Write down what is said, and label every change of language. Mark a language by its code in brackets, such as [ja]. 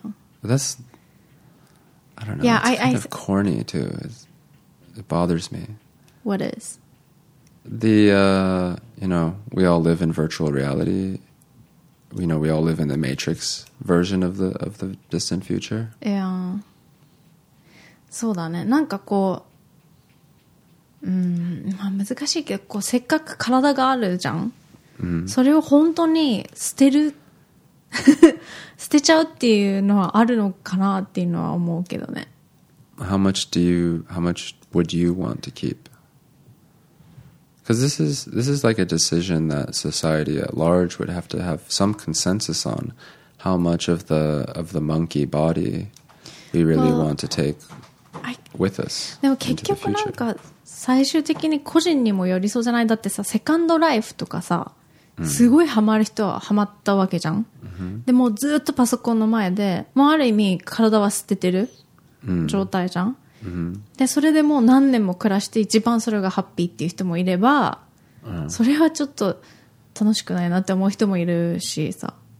[en] But that's, I don't know. Yeah, it's kind of corny too. It bothers me. What is? The we all live in virtual reality. You know, we all live in the Matrix version of the distant future. Yeah. [ja] そうだね。なんかこう、まあ、難しいけどこうせっかく体があるじゃん、それを本当に捨てる捨てちゃうっていうのはあるのかなっていうのは思うけどね [en] how much would you want to keep? Because this is like a decision that society at large would have to have some consensus on how much of the monkey body we really want to take with us [ja] でも結局なんか最終的に個人にも寄りそうじゃないだってさセカンドライフとかさすごいハマる人はハマったわけじゃん、でもずっとパソコンの前でもうある意味体は捨ててる状態じゃん、でそれでもう何年も暮らして一番それがハッピーっていう人もいれば、それはちょっと楽しくないなって思う人もいるしさ